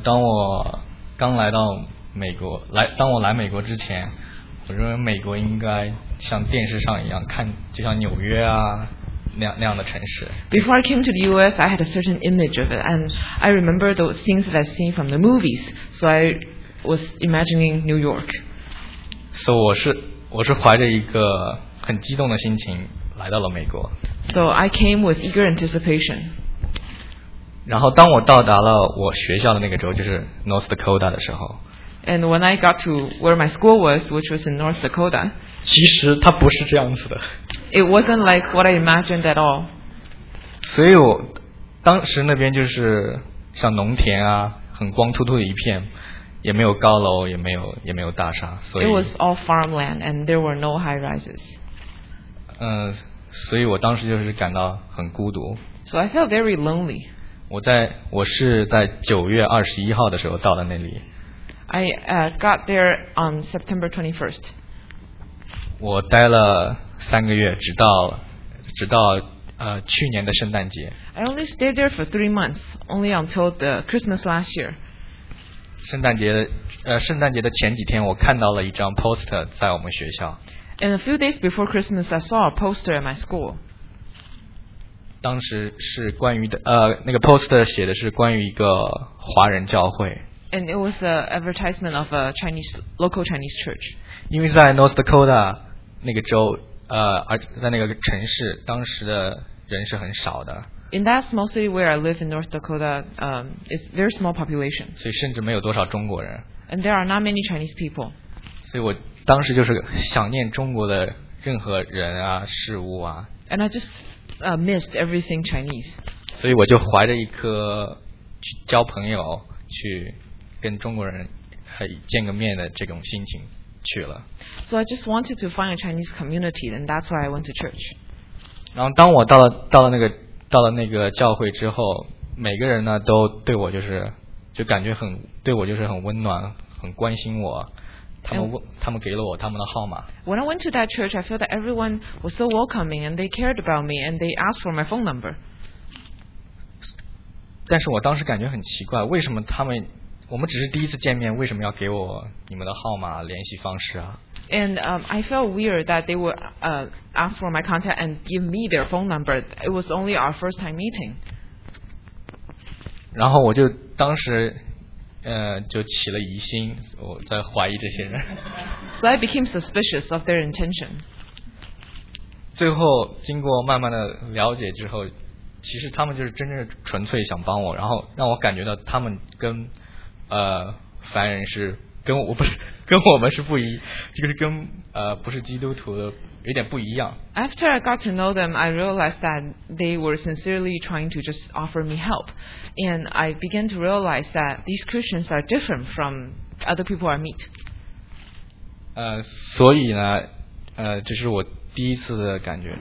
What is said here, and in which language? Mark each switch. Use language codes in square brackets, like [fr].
[zh] 当我刚来到美国，当我来美国之前，我认为美国应该像电视上一样看，就像纽约啊那样的城市。 [en] Before I came to the U.S., I had a certain image of it, and I remember the things that I've seen from the movies. So I was imagining New York. [zh] So 我是怀着一个很激动的心情来到了美国。 [en] So I came with eager anticipation. [zh] 然后当我到达了我学校的那个州，就是 North Dakota 的时候。 [en] And when I got to where my school was, which was in North Dakota. [zh] 其实它不是这样子的。 [en] It wasn't like what I imagined at all. [zh] 所以我当时那边就是像农田啊，很光秃秃的一片，也没有高楼，也没有大厦。所以 [en] It was all farmland, and there were no high rises. [zh] 所以我当时就是感到很孤独。 [en] So I felt very lonely. [zh] 我是在9月21号的时候到了那里。 [en] I got there on September 21st. [zh] 我待了三个月，直到去年的圣诞节。 [en] I only stayed there for 3 months, only until the Christmas last year. [zh] 圣诞节的前几天，我看到了一张 poster 在我们学校。 [en] And a few days before Christmas, I saw a poster at my school. [zh] 当时是关于的，那个 poster 写的是关于一个华人教会。 [en] And it was an advertisement of a Chinese, local Chinese church. [zh] 因为在 North Dakota 那个州，而在那个城市，当时的人是很少的。 [en] In that small city where I live in North Dakota, it's very small population. [zh] 所以甚至没有多少中国人。 [en] And there are not many Chinese people. [zh] 所以我当时就是想念中国的任何人啊，事物啊。 [en] And I just missed everything Chinese. [zh] 所以我就怀着一颗去交朋友去。跟中国人见个面的这种心情去了。 [en] So I just wanted to find a Chinese community, and that's why I went to church. [zh] 然后当我到了那个教会之后，每个人呢都对我就感觉很对我就是很温暖，很关心我。他们给了我他们的号码。 [en] When I went to that church, I felt that everyone was so welcoming, and they cared about me, and they asked for my phone number. [zh] 但是我当时感觉很奇怪，为什么他们我们只是第一次见面，为什么要给我你们的号码、联系方式啊 [en] ？And I felt weird that they would ask for my contact and give me their phone number. It was only our first time meeting. [zh] 然后我就当时就起了疑心，我在怀疑这些人。 [en] So I became suspicious of their intention. [zh] 最后经过慢慢的了解之后，其实他们就是真正纯粹想帮我，然后让我感觉到他们跟凡人是跟我们是不一，就是跟不是基督徒的有点不一样。 [en] After I got to know them, I realized that they were sincerely trying to just offer me help, and I began to realize that these Christians are different from other people I meet. [zh] 所以呢，这是我第一次的感觉。